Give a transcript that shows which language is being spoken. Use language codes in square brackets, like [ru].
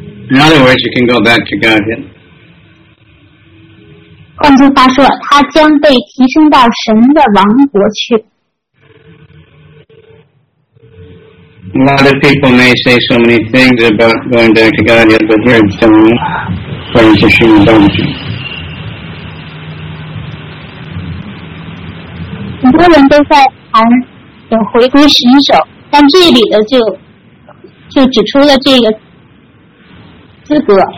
[en] In other words, you can go back to Godhead. [zh] 换句话说，他将被提升到神的王国去。 [en] A lot of people may say so many things about going back to Godhead, but here it's telling you, according to Srimad Bhagavatam. [zh] 很多人都在谈有回归神手，但这里的就指出了这个资格。